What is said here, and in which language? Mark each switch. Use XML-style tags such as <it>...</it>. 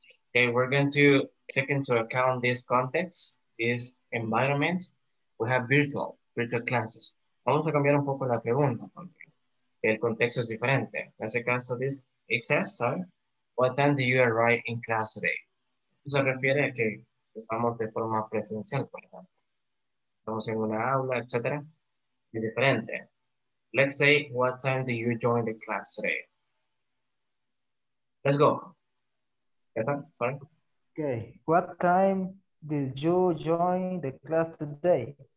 <en>Okay, we're going to take into account this context, this environment. We have virtual classes.</en> <es>Vamos a cambiar un poco la pregunta porque el contexto es diferente. En ese caso,</es> <en>this exists, sorry. What time do you arrive in class today?</en> <es>Esto se refiere a que estamos de forma presencial, por ejemplo. Estamos en una aula, etc. Es diferente.</es> <en>Let's say, what time do you join the class today? Let's go.</en> <es>¿Ya está?</es> <en>Sorry. Okay. What time did you join the class today?</en>